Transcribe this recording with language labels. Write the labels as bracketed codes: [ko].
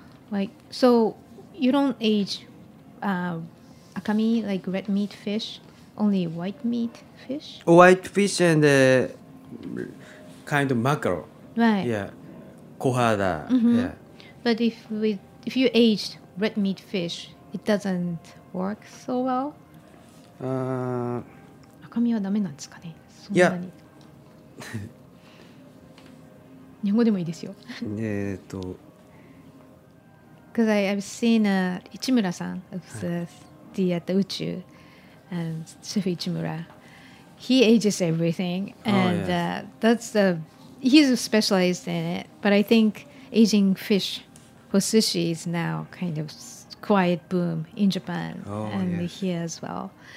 [en] Like, so you don't age akami, like red meat fish, only white meat fish? White fish and kind of mackerel. Right. Yeah. Kohada. Yeah. But if you aged red meat fish, it doesn't work so well. [ja] 赤身はダメなんですかね。そんなに。日本語でもいいですよ。 [en] Because I've seen Ichimura san of the at the Uchu and Chef Ichimura. He ages everything, and he's specialized in it. But I think aging fish for sushi is now kind of quiet boom in Japan here as well.